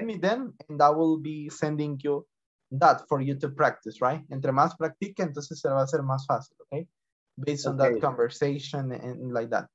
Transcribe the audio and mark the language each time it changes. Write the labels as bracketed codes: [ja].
[en] Send me them and I will be sending you that for you to practice, right? [es] Entre más practique, entonces se va a hacer más fácil, ok? [en] Based on okay. that conversation and like that.